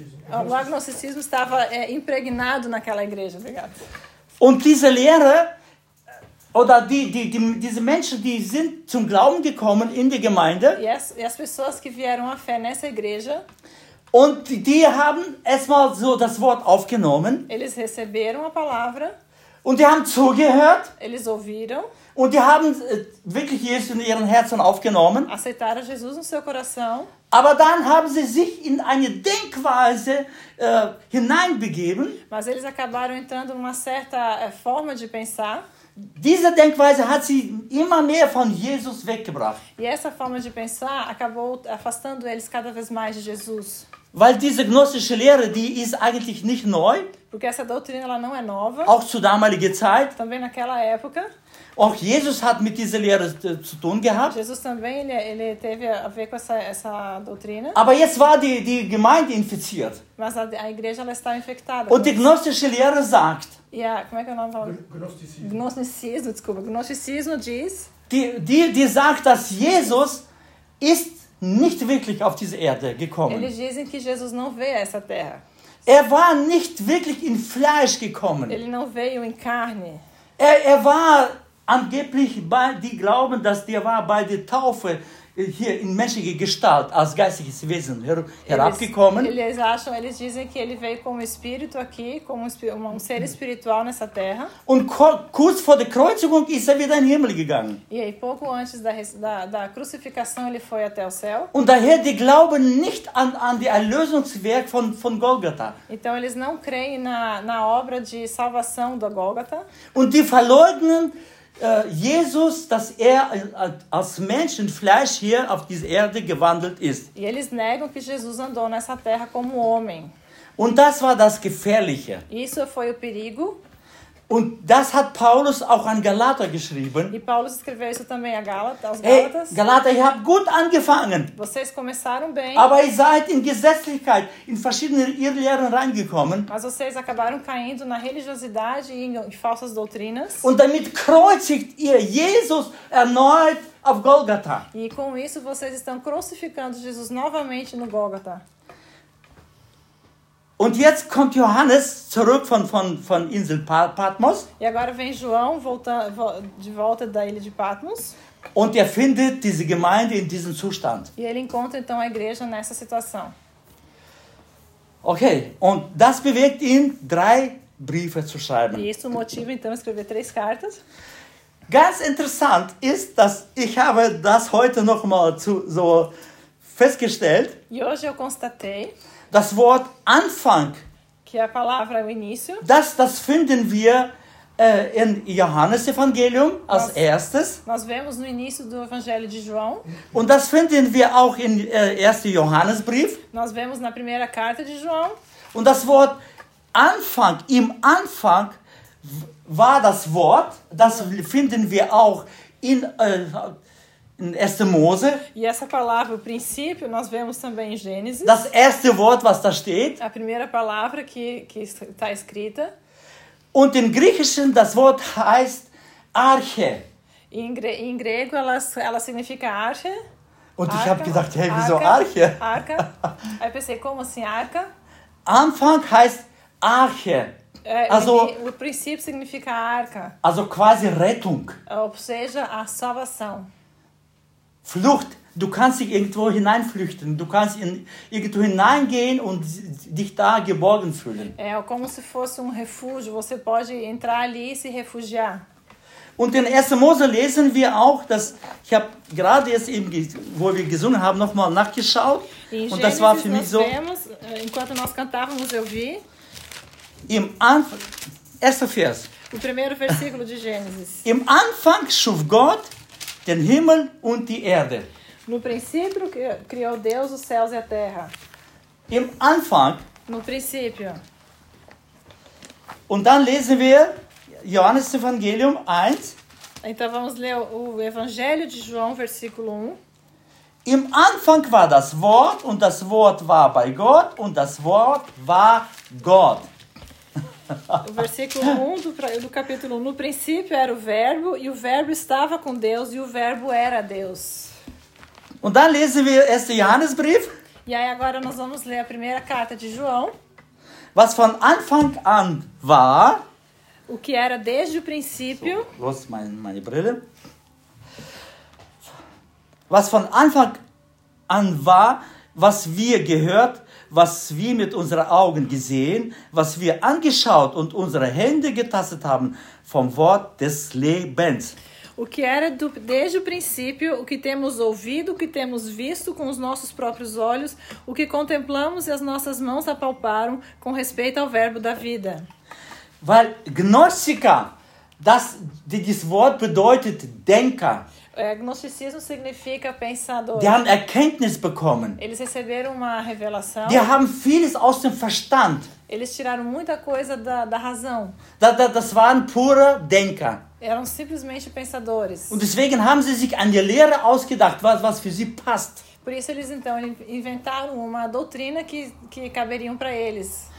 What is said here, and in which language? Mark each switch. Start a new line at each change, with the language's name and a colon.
Portuguese: O agnosticismo estava impregnado naquela igreja. Obrigado.
German: Und diese Lehre, oder diese Menschen, die sind zum Glauben gekommen in die Gemeinde.
Portuguese: E as pessoas que vieram à fé nessa igreja.
German: Und die haben erstmal so das Wort aufgenommen.
Portuguese: Eles receberam a palavra.
German: Und die haben zugehört.
Portuguese: Eles ouviram.
German: Und die haben wirklich Jesus in ihren Herzen aufgenommen.
Portuguese: Aceitaram Jesus no seu coração.
German: Aber dann haben sie sich in eine Denkweise hineinbegeben.
Portuguese: Mas eles acabaram entrando numa certa forma de pensar.
German: Diese Denkweise hat sie immer mehr von Jesus weggebracht.
Portuguese: E essa forma de pensar acabou afastando eles cada vez mais de Jesus.
German: Weil diese gnostische Lehre, die ist eigentlich nicht neu.
Portuguese: Porque essa doutrina ela não é nova.
German: Auch zu damaliger Zeit.
Portuguese: Também naquela época.
German: Auch Jesus hat mit dieser Lehre zu tun gehabt.
Portuguese: Jesus também ele teve a ver com essa doutrina.
German: Aber jetzt war die Gemeinde infiziert.
Portuguese: Mas a igreja ela estava infectada.
German: Und die gnostische Lehre sagt.
Portuguese: Ja, como é que é o nome? Gnosticismo. Desculpa. Gnosticismo diz.
German: Die sagt, dass Jesus ist nicht wirklich auf diese Erde gekommen.
Portuguese: Eles dizem que Jesus não veio a essa terra.
German: Er war nicht wirklich in Fleisch gekommen.
Portuguese: Ele não veio em carne.
German: Er war angeblich, die glauben, dass der war bei der Taufe hier in menschliche Gestalt als geistiges Wesen herabgekommen.
Portuguese: Eles dizem que ele veio como espírito aqui, como um ser espiritual nessa terra.
German: Und kurz vor der Kreuzigung ist er wieder in den Himmel gegangen.
Portuguese: E aí, pouco antes da crucificação, ele foi até o céu.
German: Und daher, die glauben nicht an die Erlösungswerk von Golgatha.
Portuguese: Então, eles não creem na obra de salvação do Golgatha.
German: Und die verleugnen Jesus, dass er als Mensch in Fleisch hier auf dieser Erde gewandelt ist.
Portuguese: E eles negam que Jesus andou nessa terra como homem.
German: Und das war das Gefährliche.
Portuguese: Isso foi o perigo.
German: Und das hat Paulus auch an Galater geschrieben.
Portuguese: E Paulus escreveu isso também aos Gálatas. Hey,
German: Galater, ihr habt gut angefangen.
Portuguese: Vocês começaram bem.
German: Aber ihr seid in Gesetzlichkeit, in verschiedene Irrlehren reingekommen.
Portuguese: Mas vocês acabaram caindo na religiosidade e em falsas doutrinas.
German: Und damit kreuzigt ihr Jesus erneut auf Golgatha.
Portuguese: E com isso vocês estão crucificando Jesus novamente no Golgatha.
German: Und jetzt kommt Johannes zurück von Insel Patmos.
Portuguese: E agora vem João de volta da ilha de Patmos.
German: Und er findet diese Gemeinde in diesem Zustand.
Portuguese: E ele encontra então a igreja nessa situação.
German: Okay, und das bewegt ihn, drei Briefe zu schreiben.
Portuguese: E isso motiva então a escrever três cartas.
German: Ganz interessant ist, dass ich habe das heute noch mal so festgestellt.
Portuguese: E hoje eu constatei.
German: Das Wort Anfang,
Portuguese: que a palavra, o início,
German: das finden wir in Johannes Evangelium als erstes.
Portuguese: Nós vemos no início do Evangelho de João.
German: Und das finden wir auch in 1. Johannesbrief.
Portuguese: Nós vemos na primeira carta de João.
German: Und das Wort Anfang, im Anfang war das Wort, das finden wir auch in 1. Mose.
Portuguese: E essa palavra, o princípio, nós vemos também em Gênesis.
German: Das erste Wort, was da steht.
Portuguese: A primeira palavra que está escrita.
German: Und im Griechischen das Wort heißt Arche.
Portuguese: Em grego, ela significa Arche.
German: Und ich habe gedacht, hey, wieso Arche?
Portuguese: Arca. Aí pensei, como assim Arca?
German: Anfang heißt Arche.
Portuguese: Also, o princípio significa arca.
German: Also quasi Rettung.
Portuguese: Ou seja, a salvação.
German: Flucht. Du kannst dich irgendwo hineinflüchten. Du kannst irgendwo hineingehen und dich da geborgen fühlen.
Portuguese: É como se fosse refúgio. Você pode entrar ali e se refugiar.
German: Und in 1. Mose lesen wir auch, dass ich habe gerade jetzt eben, wo wir gesungen haben, nochmal nachgeschaut.
Portuguese: Gênesis,
German: und das war für mich so.
Portuguese: Vemos, enquanto nós cantávamos, eu vi.
German: Im Anfang, erster Vers.
Portuguese: O primeiro versículo de Gênesis.
German: Im Anfang schuf Gott den Himmel und die Erde.
Portuguese: No princípio criou Deus os céus e a terra.
German: Im Anfang.
Portuguese: No princípio.
German: Und dann lesen wir Johannes Evangelium 1.
Portuguese: Então vamos ler o Evangelho de João, versículo 1.
German: Im Anfang war das Wort und das Wort war bei Gott und das Wort war Gott.
Portuguese: O versículo 1 do capítulo 1. No princípio era o verbo, e o verbo estava com Deus, e o verbo era Deus.
German: Und dann lesen wir erste Johannesbrief.
Portuguese: E aí agora nós vamos ler a primeira carta de João.
German: Was von Anfang an war.
Portuguese: O que era desde o princípio.
German: So, los, meine Brille. Was von Anfang an war, was wir gehört, was wir mit unseren Augen gesehen, was wir angeschaut und unsere Hände getastet haben vom Wort des Lebens.
Portuguese: O que era desde o princípio, o que temos ouvido, o que temos visto com os nossos próprios olhos, o que contemplamos e as nossas mãos apalparam com respeito ao verbo da vida.
German: Weil Gnostica, das dieses Wort bedeutet Denker.
Portuguese: Gnosticismo significa pensador.
German: Die haben Erkenntnis bekommen.
Portuguese: Eles receberam uma revelação.
German: Die haben vieles aus dem Verstand.
Portuguese: Eles tiraram muita coisa da razão.
German: Das waren pure Denker.
Portuguese: Eram simplesmente pensadores.
German: Und deswegen haben sie sich eine Lehre ausgedacht, was für sie passt.
Portuguese: Por isso eles então inventaram uma doutrina que caberiam para eles.